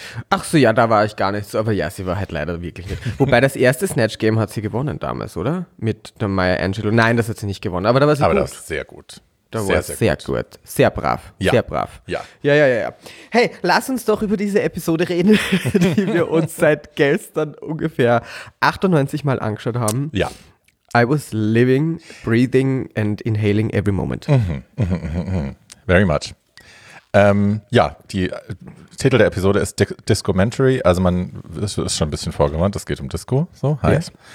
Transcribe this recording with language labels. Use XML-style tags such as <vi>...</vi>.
<de>Ach so, ja, da war ich gar nicht so, aber ja, sie war halt leider wirklich nicht. Wobei das erste Snatch Game hat sie gewonnen damals, oder? Mit der Maya Angelou, nein, das hat sie nicht gewonnen, aber da war sie aber Aber das ist sehr gut. Da war sehr gut, sehr brav, sehr brav. Ja. Ja. Hey, lass uns doch über diese Episode reden, die wir uns seit gestern ungefähr 98 Mal angeschaut haben. Ja.</de> <en>I was living, breathing and inhaling every moment. Very much.</en> <de>Die Titel der Episode ist Discomentary, also man ist schon ein bisschen vorgewarnt, es geht um Disco, so heißt.</de>